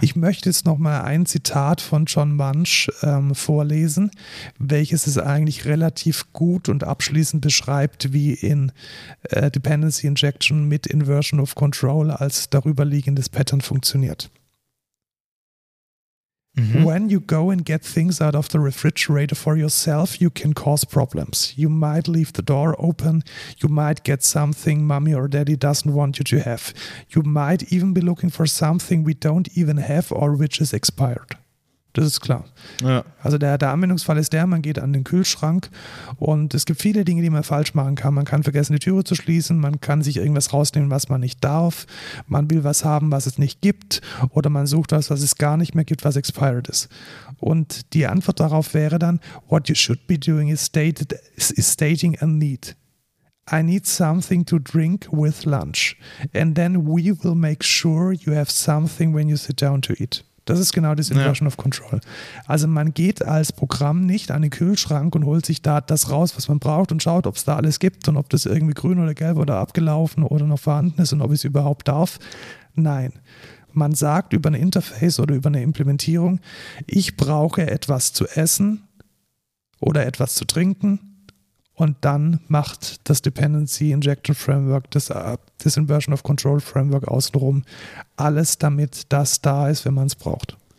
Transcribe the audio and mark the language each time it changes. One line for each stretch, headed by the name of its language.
German: Ich möchte jetzt nochmal ein Zitat von John Munch vorlesen, welches es eigentlich relativ gut und abschließend beschreibt, wie in Dependency Injection mit Inversion of Control als darüberliegendes Pattern funktioniert.
English: When you go and get things out of the refrigerator for yourself, you can cause problems. You might leave the door open. You might get something mommy or daddy doesn't want you to have. You might even be looking for something we don't even have or which is expired.
German: Das ist klar. Ja. Also der Anwendungsfall ist der, man geht an den Kühlschrank und es gibt viele Dinge, die man falsch machen kann. Man kann vergessen, die Türe zu schließen, man kann sich irgendwas rausnehmen, was man nicht darf, man will was haben, was es nicht gibt oder man sucht was, was es gar nicht mehr gibt, was expired ist. Und die Antwort darauf wäre dann,
English: what you should be doing is stating a need. I need something to drink with lunch and then we will make sure you have something when you sit down to eat.
German: Das ist genau das Inversion of Control. Also man geht als Programm nicht an den Kühlschrank und holt sich da das raus, was man braucht und schaut, ob es da alles gibt und ob das irgendwie grün oder gelb oder abgelaufen oder noch vorhanden ist und ob ich es überhaupt darf. Nein, man sagt über ein Interface oder über eine Implementierung, ich brauche etwas zu essen oder etwas zu trinken, und dann macht das Dependency Injection Framework, das Inversion of Control Framework außenrum alles, damit das da ist, wenn man es braucht.